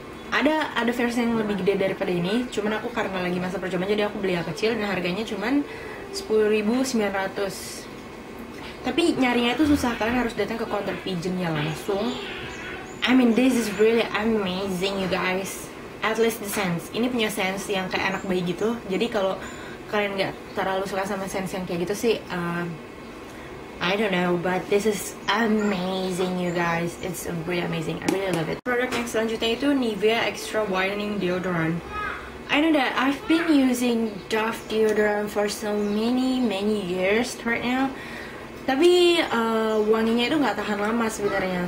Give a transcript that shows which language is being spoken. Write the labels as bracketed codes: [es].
[id] Ada versi yang lebih gede daripada ini. Cuman aku karena lagi masa percobaan jadi aku beli yang kecil dan harganya cuman 10.900. Tapi nyarinya itu susah, kalian harus datang ke counter Pigeon-nya langsung. [en] I mean, this is really amazing, you guys. At least the scent. [id] Ini punya scent yang kayak anak bayi gitu. Jadi kalau kalian nggak terlalu suka sama scent yang kayak gitu sih. [en] I don't know, but this is amazing, you guys. It's really amazing. I really love it. [id] Product yang selanjutnya itu Nivea Extra Whitening Deodorant. [en] I know that I've been using Dove deodorant for so many years right now. [id] Tapi wanginya itu nggak tahan lama sebenarnya.